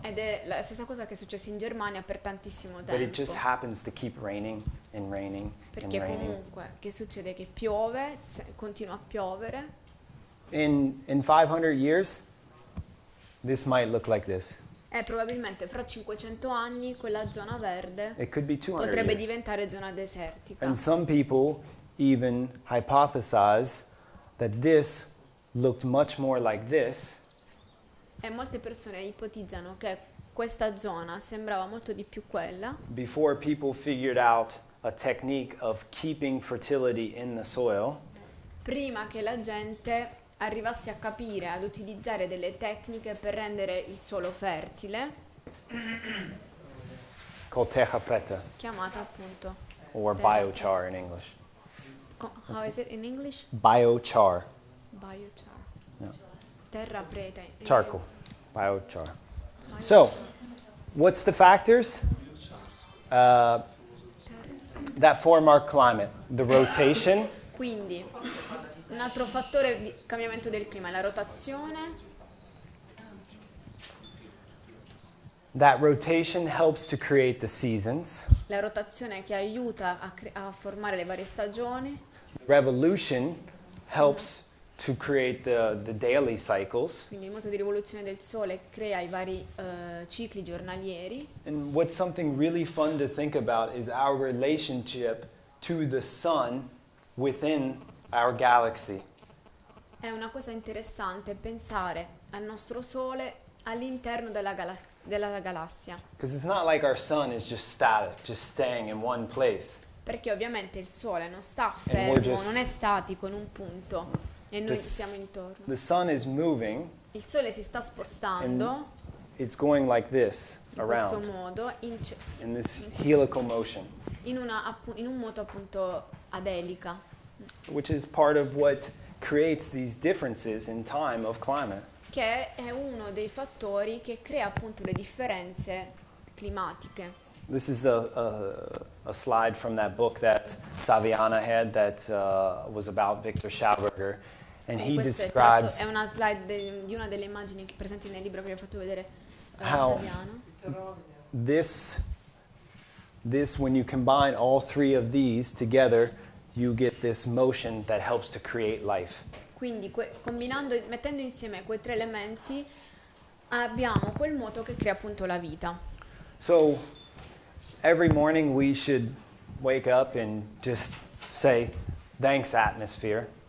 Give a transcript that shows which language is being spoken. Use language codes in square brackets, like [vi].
[it] Ed è la stessa cosa che è successa in Germania per tantissimo tempo. [en] But it just happens to keep raining and raining [it] perché [en] and raining. [it] Perché comunque, che succede? Che piove, continua a piovere. [en] In 500 years, this might look like this. [it] Probabilmente fra 500 anni quella zona verde [en] it could be 200 [it] potrebbe [en] years. [it] Diventare zona desertica. [en] And some people even hypothesize that this looked much more like this. [it] E molte persone ipotizzano che questa zona sembrava molto di più quella. [en] Before people figured out a technique of keeping fertility in the soil. [it] Prima che la gente arrivassi a capire, ad utilizzare delle tecniche per rendere il suolo fertile. [en] Called terra preta. [it] Chiamata appunto. [en] Or biochar in English. How is it in English? Biochar. Biochar. No. Terra preta. Charcoal. Biochar. So, what's the factors that form our climate? The rotation. [it] Quindi. Un altro fattore di cambiamento del clima è la rotazione. [en] That rotation helps to create the seasons. [it] La rotazione che aiuta a formare le varie stagioni. [en] Revolution helps to create the daily cycles. [it] Quindi il moto di rivoluzione del sole crea i vari cicli giornalieri. [en] And what's something really fun to think about is our relationship to the sun within our galaxy. [it] È una cosa interessante pensare al nostro sole all'interno della galassia. [en] Because it's not like our sun is just static, just staying in one place. [it] Perché ovviamente il sole non sta fermo, non è statico in un punto e noi ci siamo intorno. [en] The sun is moving. [it] Il sole si sta spostando. [en] It's going like this around. [it] In questo modo [en] in this helical motion. [it] In un moto appunto ad elica. [en] Which is part of what creates these differences in time of climate. [it] Che è uno dei fattori che crea appunto le differenze climatiche. [en] This is a slide from that book that Saviana had that was about Victor Schauberger, and he describes. [it] È una slide di una delle immagini presenti nel libro che vi ho fatto vedere. [en] How this when you combine all three of these together. You get this motion that helps to create life. [it] Quindi, combinando, mettendo insieme quei tre elementi, abbiamo quel moto che crea appunto la vita. [en] So, every morning we should wake up and just say, thanks atmosphere.